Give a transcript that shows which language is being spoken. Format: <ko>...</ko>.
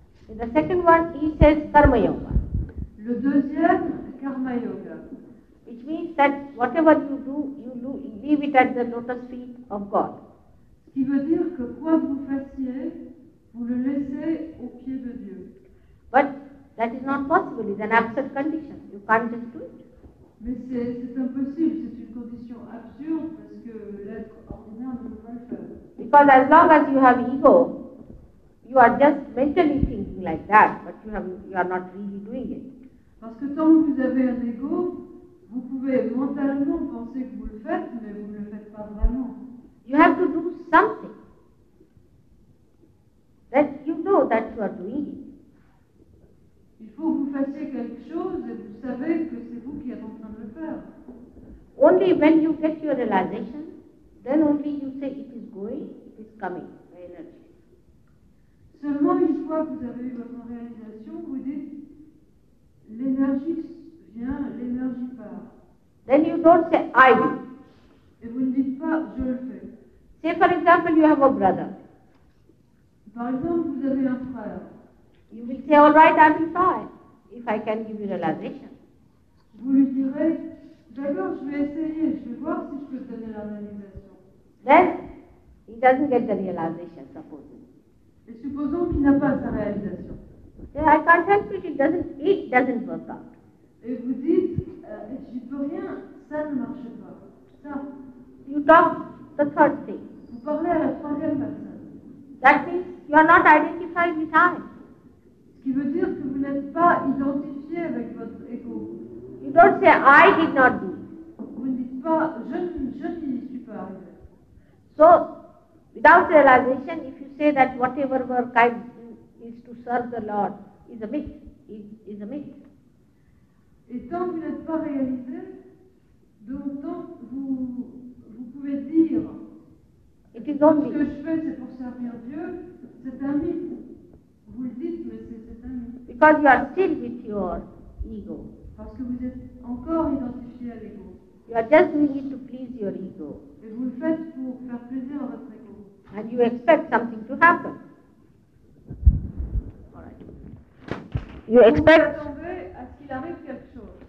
<en>And the second one, he says Karma Yoga.</en> <fr>Le deuxième, Karma Yoga.</fr> <en>Which means that whatever you do, you leave it at the lotus feet of God.</en> <fr>Qui veut dire que quoi vous fassiez, vous le laissez aux pieds de Dieu.</fr> <en>But that is not possible, it's an absurd condition. You can't just do it.</en> <fr>Mais c'est impossible, c'est une condition absurde parce que l'être ordinaire ne peut pas le faire.</fr> <en>Because as long as you have ego, you are just mentally thinking like that, but you are not really doing it.</en> <fr>Parce que tant que vous avez un ego, vous pouvez mentalement penser que vous le faites, mais vous ne le faites pas vraiment.</fr> <en>You have to do something that you know that you are doing.</en> <fr>Il faut que vous fassiez quelque chose et vous savez que c'est vous qui êtes en train de le faire.</fr> <en>Only when you get your realization, then only you say it is going, it is coming, the energy.</en> <fr>Seulement une fois que vous avez eu votre réalisation, vous dites l'énergie vient, l'énergie part.</fr> <en>Then you don't say I do.</en> <fr>Et vous ne dites pas je le fais.</fr> <en>Say for example you have a brother.</en> <fr>Par exemple, vous avez un frère.</fr> <en>You will say, all right, I will try if I can give you realization.</en> <fr>Vous lui direz, d'accord, je vais essayer, je vais voir si je peux donner la réalisation.</fr> <en>Then he doesn't get the realization, supposedly.</en> <fr>Et supposons qu'il n'a pas sa réalisation.</fr> <en>Yeah, I can't help it, it doesn't work out.</en> <fr>Et vous dites, j'y peux rien, ça ne marche pas. Ça.</fr> <en>You talk. The third thing.</en> <fr>Vous parlez à la troisième personne.</fr> <en>That means you are not identified with I.</en> <fr>Ce qui veut dire que vous n'êtes pas identifié avec votre ego.</fr> <en>You don't say I did not do.</en> <fr>Vous ne dites pas je n'y suis pas arrivé.</fr> <en>So, without realization, if you say that whatever work I do is to serve the Lord is a myth. Is a myth.</en> <fr>Et tant que vous n'êtes pas réalisé, donc tant vous pouvez dire</fr> <en>it is only</en> <fr>ce que je fais c'est pour servir Dieu, c'est un mythe. Vous le dites, mais c'est un mythe.</fr> <en>Because you are still with your ego.</en> <fr>Parce que vous êtes encore identifié à l'ego.</fr> <en>You are just doing it to please your ego.</en> <fr>Et vous le faites pour faire plaisir à votre ego.</fr> <en>And you expect something to happen. Alright. You expect.</en> <fr>Vous attendez à ce qu'il arrive quelque chose.</fr>